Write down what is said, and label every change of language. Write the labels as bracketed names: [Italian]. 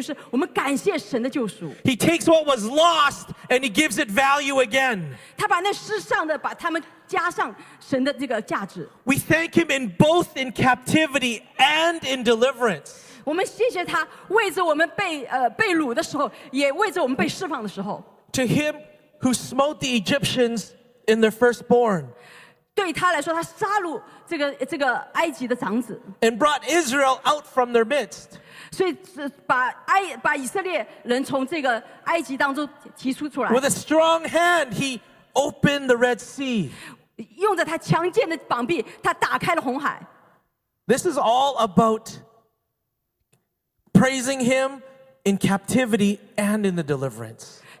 [English] He takes what was lost and he gives it value again. We thank him in both in captivity and in deliverance. [Chinese] 我们谢谢他为着我们被掳的时候，也为着我们被释放的时候。 [English] To him who smote the Egyptians in their firstborn. [Chinese] 对他来说，他杀戮这个埃及的长子。 [English] And brought Israel out from their midst. [Chinese] 所以把以色列人从这个埃及当中提出出来。 [English] With a strong hand, he opened the Red Sea. [Chinese] 用着他强健的膀臂，他打开了红海。 [English] This is all about praising him in captivity and in the deliverance.